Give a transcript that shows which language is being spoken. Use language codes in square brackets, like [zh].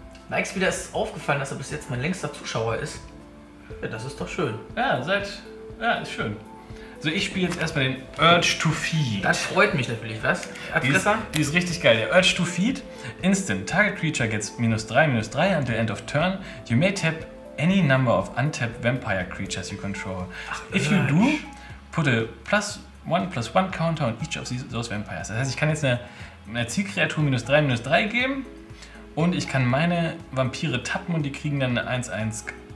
[de] Nikes, wieder ist aufgefallen, dass er bis jetzt mein längster Zuschauer ist. Ja, das ist doch schön. Ja, ist schön. So, ich spiele jetzt erstmal den Urge to Feed. Das freut mich natürlich, was? Die ist richtig geil. Der Urge to Feed. Instant. [en] Target Creature gets -3/-3 until end of turn. You may tap any number of untapped vampire creatures you control. [de] Ach, [en] if you do, put a +1/+1 counter on each of those vampires. [de] Das heißt, ich kann jetzt eine Zielkreatur -3/-3 geben. Und ich kann meine Vampire tappen und die kriegen dann eine 1-1.